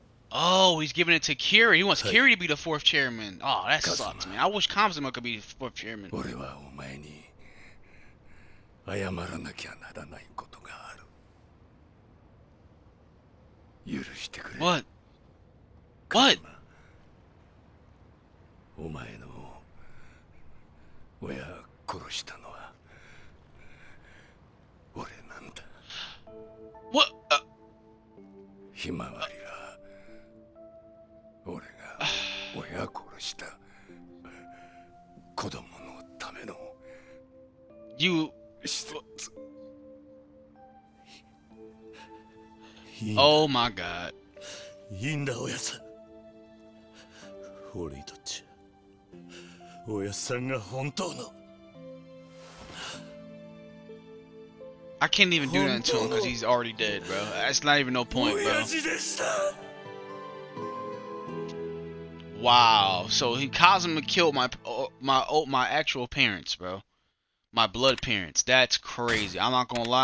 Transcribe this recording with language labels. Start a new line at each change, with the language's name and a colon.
English: Oh, he's giving it to Kiri. He wants Kiri to be the fourth chairman. Oh, that sucks, man. I wish Kazuma could be the fourth chairman.
Japanese: 俺はお前に謝らなきゃならないことがある。許してくれ。
English: What? What?
Japanese: お前の親を殺したのは俺なんだ。
English: What?
Japanese: ひまわりは俺が親を殺した子供のための
English: You What? Oh my god.
Japanese: いいんだ、おやさん。俺にとっちゃ、おやさんが本当の。
English: I can't even do that to him because he's already dead, bro. That's not even no point, bro.
Japanese: 親父でした。
English: Wow. So he Kazuma killed my actual parents, bro. My blood parents. That's crazy. I'm not gonna lie.